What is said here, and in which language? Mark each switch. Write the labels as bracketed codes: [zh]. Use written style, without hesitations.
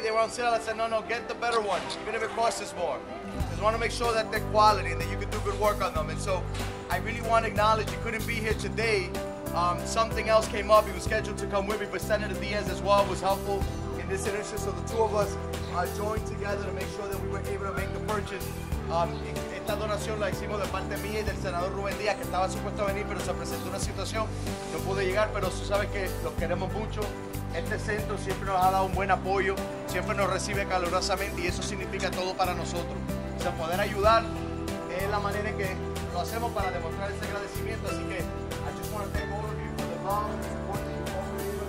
[en] They were on sale. I said, no, get the better one, even if it costs us more. Just want to make sure that they're quality and that you can do good work on them. And so I really want to acknowledge you couldn't be here today. Something else came up. He was scheduled to come with me, but Senator Diaz as well was helpful in this instance. So the two of us joined together to make sure that we were able to make the purchase. [es] Esta donación la hicimos de parte mía y del senador Rubén Díaz, que estaba supuesto a venir, pero se presentó una situación. No pude llegar, pero tú sabes que los queremos mucho. Este centro siempre nos ha dado un buen apoyo, siempre nos recibe calurosamente y eso significa todo para nosotros. O sea, poder ayudar es la manera en que lo hacemos para demostrar ese agradecimiento. Así que, [en] I just want to thank all of you for the love.